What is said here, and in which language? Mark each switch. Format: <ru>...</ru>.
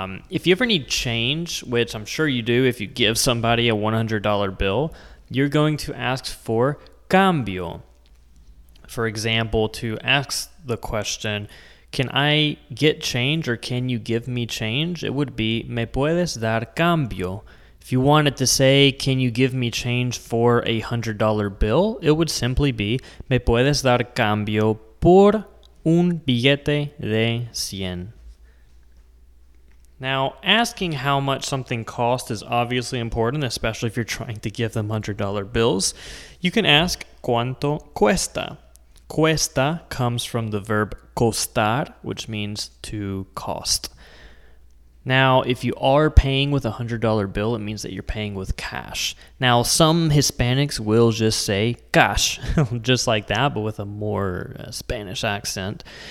<en>If you ever need change, which I'm sure you do if you give somebody a $100 bill, you're going to ask for cambio. For example, to ask the question, can I get change or can you give me change? It would be,</en> <es>¿me puedes dar cambio?</es> <en>If you wanted to say, can you give me change for a $100 bill? It would simply be,</en> <es>¿me puedes dar cambio por un billete de 100?</es> <en>Now, asking how much something costs is obviously important, especially if you're trying to give them $100 bills. You can ask,</en> <es>¿cuánto cuesta?</es> <en>Cuesta comes from the verb costar, which means to cost. Now, if you are paying with a $100 bill, it means that you're paying with cash. Now, some Hispanics will just say cash, just like that, but with a more Spanish accent.</en>